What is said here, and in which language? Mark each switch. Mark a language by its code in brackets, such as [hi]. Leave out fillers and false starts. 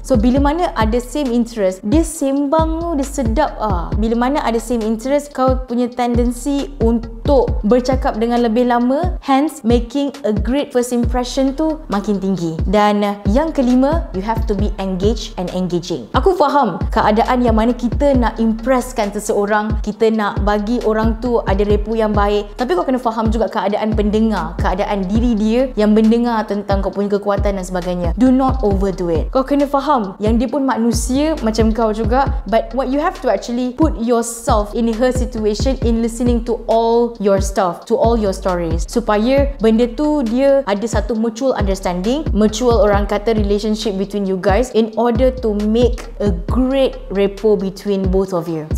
[ms] So bila mana ada same interest, dia same bang, dia sedap ah. Bila mana ada same interest, kau punya tendency untuk bercakap dengan lebih lama, [en] hence making a great first impression [ms] tu makin tinggi. Dan yang kelima, [en] you have to be engaged and engaging. [ms] Aku faham keadaan yang mana kita nak impresskan seseorang, kita nak bagi orang tu ada repu yang baik, tapi kau kena faham juga keadaan pendengar, keadaan diri dia yang mendengar tentang kau punya kekuatan dan sebagainya. [en] Do not overdo it. [ms] Kau kena faham yang dia pun manusia macam kau juga. [en] But what you have to actually put yourself in her situation in listening to all your stuff, to all your stories, [ms] supaya benda tu dia ada satu [en] mutual understanding, mutual [ms] orang kata [en] relationship between you guys, in order to make a great rapport between both of you.